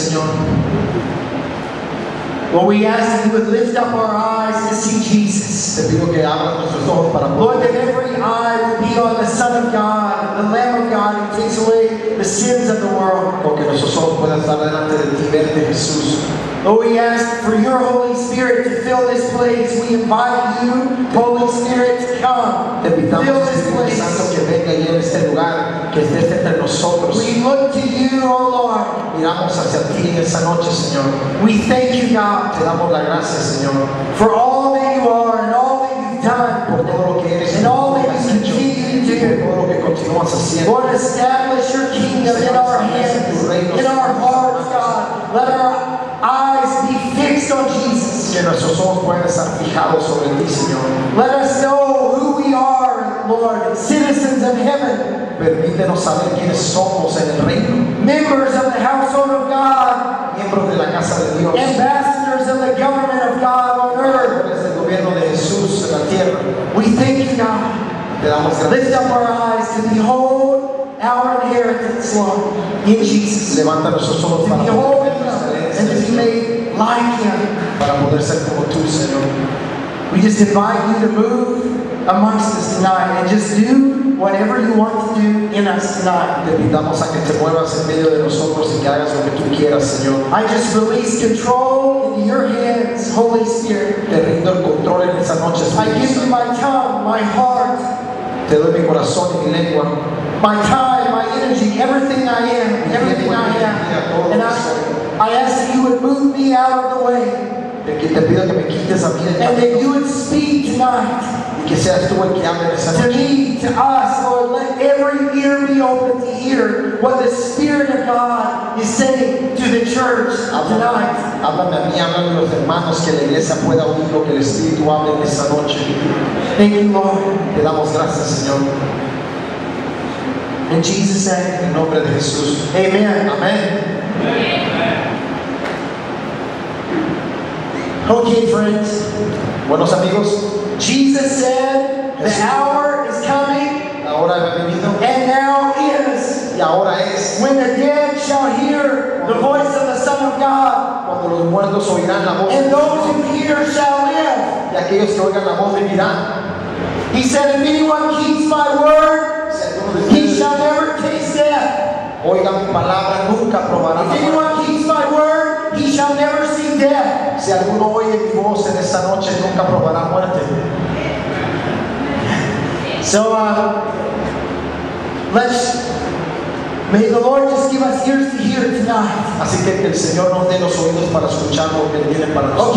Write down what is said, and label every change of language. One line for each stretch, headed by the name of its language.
English: Lord, we ask that you would lift up our eyes to see Jesus.
Spanish: Te pido que abras nuestros ojos para poder.
English: Lord, that every eye will be on the Son of God, the Lamb of God, who takes away the sins of the world.
Spanish: Porque nuestros ojos puedan estar delante de ti, verte, Jesús.
English: Lord, we ask for your Holy Spirit to fill this place. We invite you, Holy Spirit, to come.
Spanish: Te invitamos, Espíritu Santo, que venga y en este lugar, que estés entre nosotros.
English: We look to you, oh Lord.
Spanish: Miramos hacia ti en esta noche, Señor.
English: We thank you, God.
Spanish: Te damos la gracia, Señor.
English: For all that you are and all that you've done.
Spanish: Por todo lo que eres.
English: And all that you continue to do.
Spanish: Por todo lo que continuamos haciendo.
English: Lord, establish your kingdom in our hands, in our hearts, God. Let our eyes be fixed on Jesus.
Spanish: Que nuestros ojos puedan estar fijados sobre ti, Señor.
English: Let us know who we are, Lord, citizens of heaven.
Spanish: Permítenos saber quiénes somos en el reino.
English: Members of the household of God.
Spanish: Miembros de la casa de Dios.
English: Ambassadors of the government of God on earth.
Spanish: Es el gobierno de Jesús en la tierra.
English: We thank you, God.
Spanish: Te damos gracias.
English: Lift up our eyes to behold our inheritance, Lord, in Jesus.
Spanish: Levanta nuestros ojos para
English: and to be made like Him.
Spanish: Para poder ser como tú, Señor.
English: We just invite you to move amongst us tonight and just do whatever you want to do in us tonight.
Spanish: Te invitamos a que te muevas en medio de nosotros y que hagas lo que tú quieras, Señor.
English: I just release control into your hands, Holy Spirit.
Spanish: Te rindo el control en esa noche, Espíritu
English: Santo. I give you my tongue, my heart.
Spanish: Te doy mi corazón y mi lengua.
English: My time, my energy, everything I am, everything I have. And I ask that you would move me out of the way.
Spanish: Te pido que me quites a mí.
English: And that you would speak tonight.
Spanish: Y que seas tú el que hable esa noche.
English: To me, to us, Lord, let every ear be open to hear what the Spirit of God is saying to the church tonight.
Spanish: Háblame a mí, háblame a los hermanos, que la iglesia pueda oír lo que el Espíritu hable esa noche.
English: Thank you, Lord.
Spanish: Te damos gracias, Señor.
English: In Jesus' name.
Spanish: En nombre de Jesús. Amen. Amen. Amen.
English: Okay, friends.
Spanish: Buenos amigos.
English: Jesus said, "The hour is coming."
Spanish: Ahora ha venido.
English: And now is.
Spanish: Y ahora es.
English: When the dead shall hear the voice of the Son of God.
Spanish: Cuando los muertos oirán la voz.
English: And those who hear shall live.
Spanish: Y aquellos que oigan la voz vivirán.
English: He said, "If anyone keeps my word, he shall never taste death."
Spanish: Oiga mi palabra, nunca probará.
English: If anyone keeps my word, he shall never see death.
Spanish: Si alguno oye mi voz en esta noche, nunca probará muerte.
English: So, let's. May the Lord just give us ears to hear tonight.
Spanish: Así que el Señor nos dé los oídos para escuchar lo que viene para nosotros.